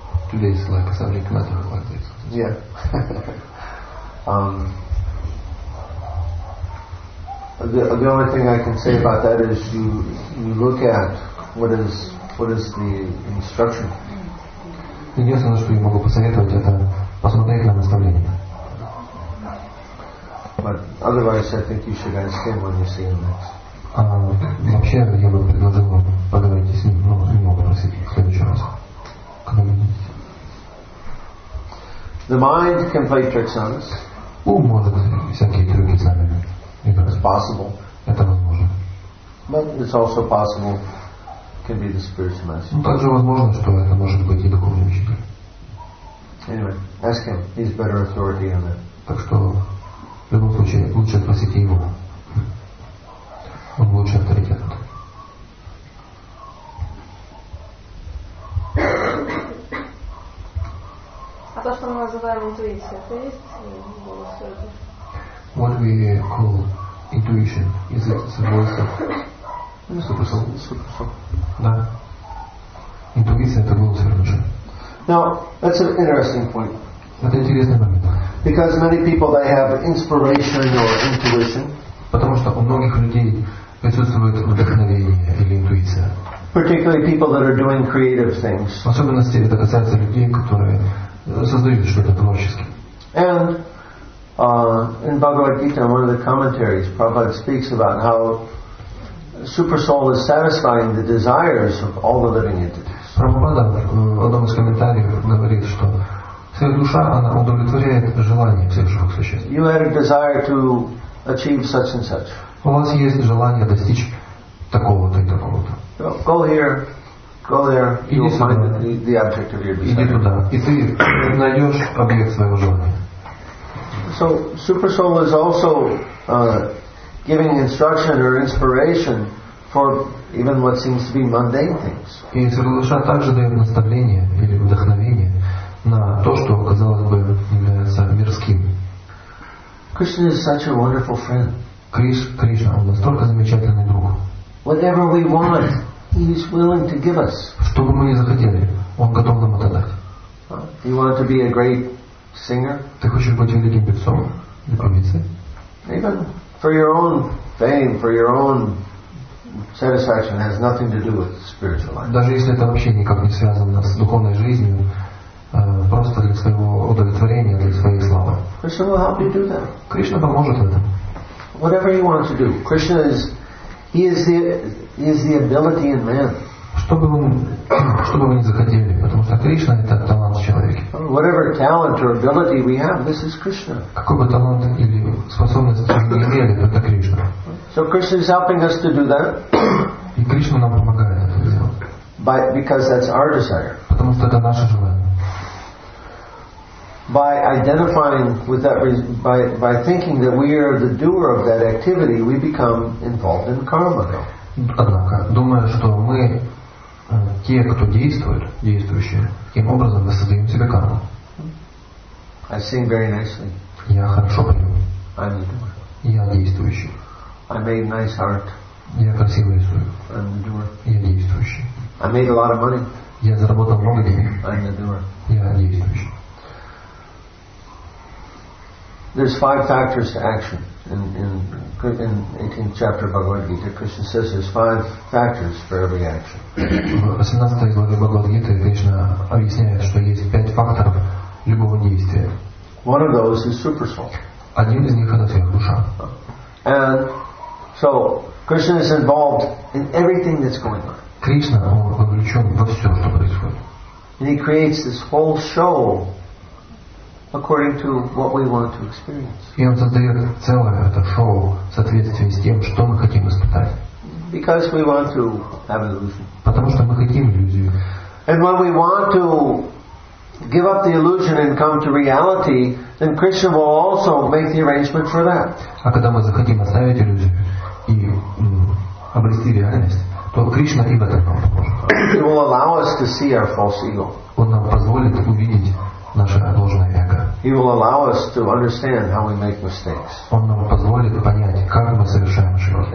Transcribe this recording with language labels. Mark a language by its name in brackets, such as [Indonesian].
[English] Today is like a subject matter like this. Yeah. The only thing I can say about that is you look at what is the instruction. [Russian] Единственное, что я могу посоветовать, это посмотреть на наставление. [English] But otherwise, I think you should ask him when you see him next. [Russian] Вообще, я бы предложил вам поговорить с ним, но не могу просить в следующий раз. Когда вы видите. [English] The mind can play tricks on us. [Russian] Ум может всякие трюки с нами играть. [English] It's possible. [Russian] Это возможно. [English] But it's also possible can be the spiritual message. [Russian] Но также возможно, что это может быть и духовный учитель. [English] Anyway, ask him. He's better authority on that. [Russian] Так что, в любом случае, лучше спросите его. Он лучше авторитет. А то, что мы называем интуицией, это есть голос Сердца? [English] What we call intuition, is it the voice of Super-soul? [Russian] Да. Интуиция — это голос Сердца. [English] Now, that's an interesting point. [Russian] Это интересный момент. [English] Because many people, they have inspiration or intuition. [Russian] Потому что у многих людей присутствует вдохновение или интуиция. [English] Particularly people that are doing creative things. [Russian] В особенности это касается людей, которые создают что-то творческое. [English] And in Bhagavad Gita, one of the commentaries, Prabhupada speaks about how super soul is satisfying the desires of all the living entities. [Russian] Прабхупада в одном из комментариев говорит, что сверхдуша, она удовлетворяет желания всех живых существ. [English] You had a desire to achieve such and such. [Russian] У вас есть желание достичь такого-то и такого-то. [English] Go here, go there, you'll find the object of your desire. [Russian] Иди туда, и ты найдешь объект своего желания. [English] So, Super Soul is also giving instruction or inspiration for even what seems to be mundane things. [Russian] И Сарадуша также дает наставление или вдохновение на то, что, казалось бы, является мирским. [English] Krishna is such a wonderful friend. [Russian] Кришна, он настолько замечательный друг. [English] Whatever we want, he is willing to give us. [Russian] Что бы мы ни захотели, он готов нам это дать. [English] Do you want to be a great singer? [Russian] Ты хочешь быть великим певцом или певицей? [English] Even for your own fame, for your own satisfaction, has nothing to do with spiritual life. [Russian] Даже если это вообще никак не связано с духовной жизнью, просто для своего удовлетворения, для своей славы. [English] Krishna will help you do that. [Russian] Кришна поможет в этом. [English] Whatever you want to do, Krishna is the ability in man. [Russian] Что бы вы ни захотели, потому что Кришна — это талант в человеке. [English] Whatever talent or ability we have, this is Krishna. [Russian] Какой бы талант или способность мы имели, это Кришна. [English] So Krishna is helping us to do that. [Russian] И Кришна нам помогает это сделать. [English] Because that's our desire. [Russian] Потому что это наше желание. [English] By identifying with that, by thinking that we are the doer of that activity, we become involved in karma. [Russian] Однако, думая, что мы те, кто действующие, таким образом мы создаем себе карму. [English] I sing very nicely. [Russian] Я хорошо пою. [English] I'm the doer. [Russian] Я действующий. [English] I made nice art. [Russian] Я красиво рисую. [English] I'm the doer. [Russian] Я действующий. [English] I made a lot of money. [Russian] Я заработал много денег. [English] I'm the doer. [Russian] Я действующий. [English] There's five factors to action in 18th chapter of Bhagavad Gita. Krishna says there's five factors for every action. [Russian] В 18 главе Бхагавад Гиты Кришна объясняет, что есть пять факторов любого действия. [English] One of those is super soul. [Russian] Один из них — это сверхдуша. [English] And so Krishna is involved in everything that's going on. [Russian] Кришна вовлечен во все, что происходит. [English] And he creates this whole show according to what we want to experience. [Russian] И он создает целое это шоу в соответствии с тем, что мы хотим испытать. [English] Because we want to have illusion. [Russian] Потому что мы хотим иллюзию. [English] And when we want to give up the illusion and come to reality, then Krishna will also make the arrangement for that. [Russian] А когда мы захотим оставить иллюзию и обрести реальность, то Кришна и в этом нам поможет. [English] He will allow us to see our false ego. [Russian] Он нам позволит увидеть наше ложное эго. [English] He will allow us to understand how we make mistakes. [Russian] Он нам позволит понять, как мы совершаем ошибки.